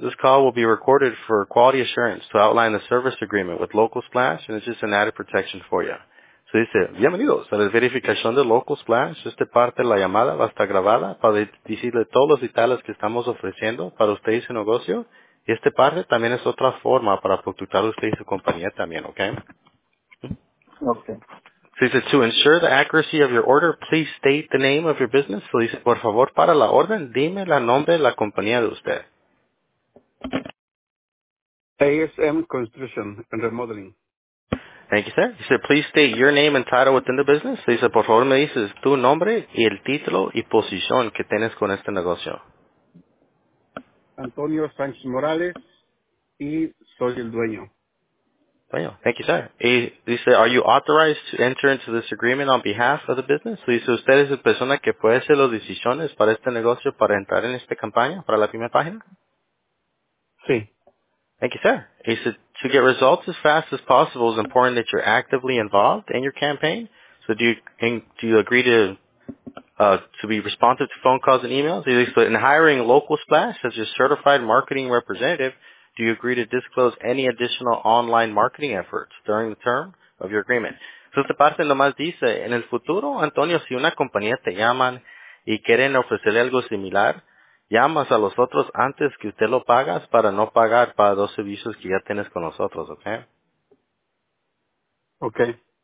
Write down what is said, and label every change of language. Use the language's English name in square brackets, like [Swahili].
[English] This call will be recorded for quality assurance to outline the service agreement with Local Splash, and it's just an added protection for you. [Spanish] Se dice, bienvenidos a la verificación de Local Splash. Esta parte de la llamada va a estar grabada para decirle todos los detalles que estamos ofreciendo para usted y su negocio. Y esta parte también es otra forma para facturar usted y su compañía también, ¿ok? Ok. Se dice, [English] to ensure the accuracy of your order, please state the name of your business. [Spanish] Se dice, por favor, para la orden, dime el nombre de la compañía de usted. [English] ASM Construction and Remodeling. Thank you, sir. He said, please state your name and title within the business. He said, [Spanish] por favor, me dices tu nombre y el título y posición que tienes con este negocio. Antonio Sánchez Morales y soy el dueño. Bueno, [English] thank you, sir. He said, are you authorized to enter into this agreement on behalf of the business? He said, [Spanish] ¿usted es la persona que puede hacer las decisiones para este negocio para entrar en esta campaña para la primera página? Sí. [English] Thank you, sir. He said, To get results as fast as possible is important that you're actively involved in your campaign. So do you agree to be responsive to phone calls and emails? In hiring Local Splash as your certified marketing representative, do you agree to disclose any additional online marketing efforts during the term of your agreement? [Spanish] So esta parte nomás dice, en el futuro, Antonio, si una compañía te llaman y quieren ofrecerle algo similar, llamas a los otros antes que usted lo pagas para no pagar para dos servicios que ya tienes con nosotros, okay? [English] Okay.